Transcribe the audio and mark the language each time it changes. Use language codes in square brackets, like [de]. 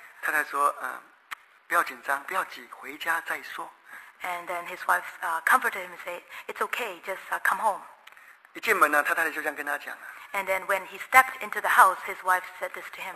[zh] 太太说，不要紧张，不要急，回家再说。 [en] And then his wife comforted him and said, it's okay, just come home. [zh] 一进门呢，太太就这样跟他讲了。 [en] And then when he stepped into the house, his wife said this to him.